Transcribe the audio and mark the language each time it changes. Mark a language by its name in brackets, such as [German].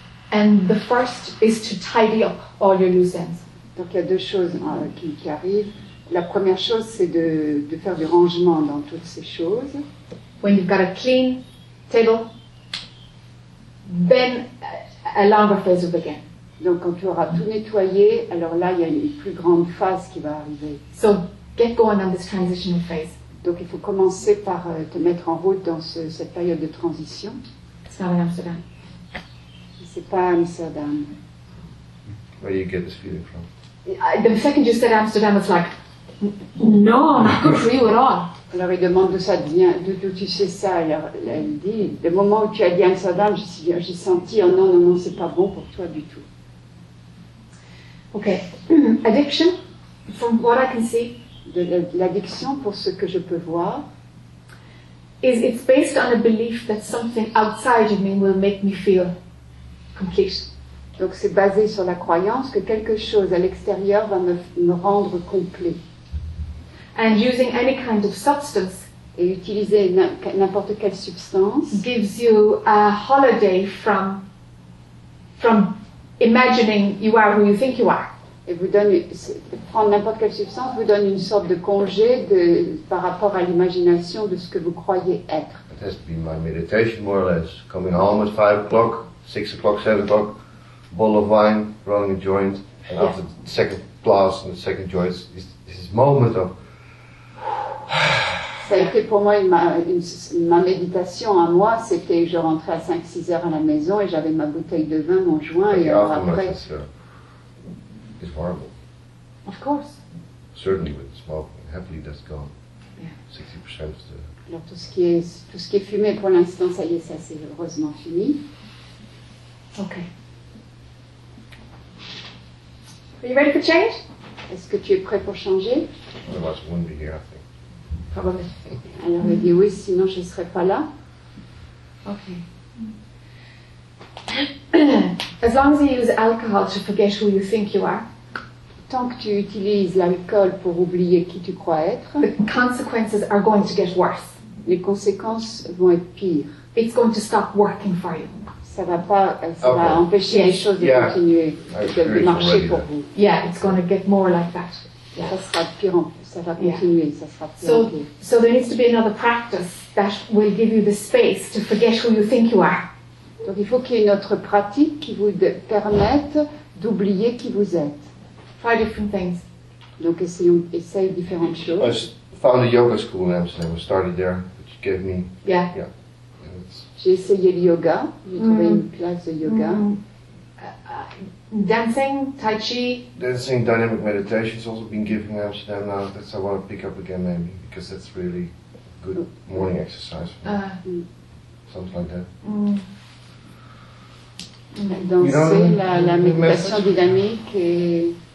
[English] And the first is to tidy up all your loose ends. [French] Donc il y a deux choses qui arrivent. La première chose, c'est de faire du rangement dans toutes ces choses. [English] When you've got a clean table, then a longer phase will begin. [French] Donc quand tu auras tout nettoyé, alors là, il y a une plus grande phase qui va arriver. [English] So get going on this transitional phase. [French] Donc il faut commencer par te mettre en route dans cette période de transition. C'est pas Amsterdam. [English] Where do you get this feeling from? The second you said Amsterdam, it's like, no, not good for you at all. [French] Alors, il demande d'où ça vient, d'où tu sais ça. Alors, là, il dit, le moment où tu as dit Amsterdam, j'ai senti, oh non, c'est pas bon pour toi du tout. [English] Okay. Addiction, from what I can see. [French] L'addiction, pour ce que je peux voir. [English] It's based on a belief that something outside of me will make me feel complete. [French] Donc c'est basé sur la croyance que quelque chose à l'extérieur va me rendre complet. [English] And using any kind of substance, [French] et utiliser n'importe quelle substance, [English] gives you a holiday from imagining you are who you think you are. [French] Et vous donne, prendre n'importe quelle substance vous donne une sorte de congé par rapport à l'imagination de ce que vous croyez être. [English] It has to be my meditation more or less. Coming home at 5 o'clock, 6 o'clock, 7 o'clock. Bottle of wine, rolling a joint, and yeah. After the second blast and the second joint, is this moment of. [French] Ça a été pour moi ma méditation à moi. C'était je rentrais à 5-6 heures à la maison et j'avais ma bouteille de vin, mon joint, et alors après. [English] It's horrible. Of course. Certainly with smoking, happily that's gone. Yeah. 60% of the. [French] Alors tout ce qui est fumé pour l'instant, ça y est, ça c'est heureusement fini. [English] Okay. Are you ready for change? [French] Est-ce que tu es prêt pour changer? [English] Otherwise, I wouldn't be here, I think. Probably. [French] Alors, elle dit oui, sinon je ne serais pas là. [English] OK. As long as you use alcohol to forget who you think you are, [French] tant que tu utilises l'alcool pour oublier qui tu crois être, [English] the consequences are going to get worse. [French] Les conséquences vont être pires. [English] It's going to stop working for you. [French] Ça va pas, ça okay. Va empêcher yes. Les choses de [English] yeah. [French] Continuer de marcher [English] already, [French] pour [English] yeah. [French] Vous. [English] Yeah, it's going to get more like that. Yeah. [French] Ça sera pire en plus. Ça va continuer, yeah. Ça sera pire. [English] So there needs to be another practice that will give you the space to forget who you think you are. [French] Donc il faut qu'il y ait une autre pratique qui vous permette d'oublier qui vous êtes. [English] Try different things. [French] Donc essaye différentes choses. [English] I found a yoga school in Amsterdam. I started there, which gave me yeah. Yeah. [French] J'ai essayé le yoga, j'ai trouvé une place de yoga. Mm. [English] Dancing, Tai Chi. Dancing, dynamic meditation has also been given in Amsterdam now. That's what I want to pick up again maybe, because that's really good morning exercise for me. Something like that. Mm. [French] Danser, [English] you know, [French] la méditation dynamique et...